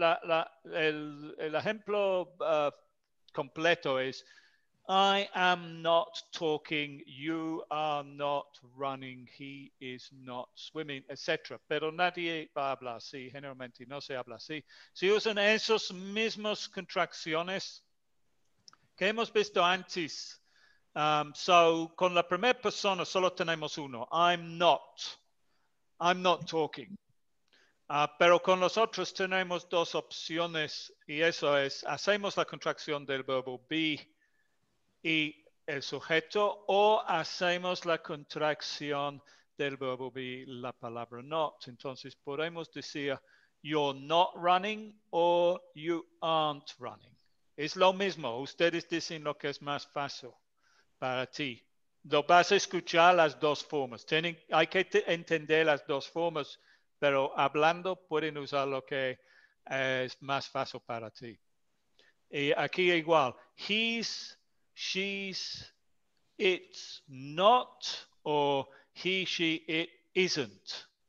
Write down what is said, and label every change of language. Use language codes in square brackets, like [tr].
[es] El ejemplo completo es [en] I am not talking, you are not running, he is not swimming, etc. [es] Pero nadie va a hablar así, generalmente no se habla así. Si usan esas mismas contracciones que hemos visto antes, so con la primera persona solo tenemos uno, [en] I'm not talking. [es] Pero con los otros tenemos dos opciones, y eso es, hacemos la contracción del verbo [en] be, [es] y el sujeto, o hacemos la contracción del verbo be, la palabra not. Entonces podemos decir [en] you're not running or you aren't running. [es] Es lo mismo. Ustedes dicen lo que es más fácil para ti. Lo vas a escuchar las dos formas. Hay que entender las dos formas, pero hablando pueden usar lo que es más fácil para ti. Y aquí igual. [en] She's, it's not, or he, she, it isn't.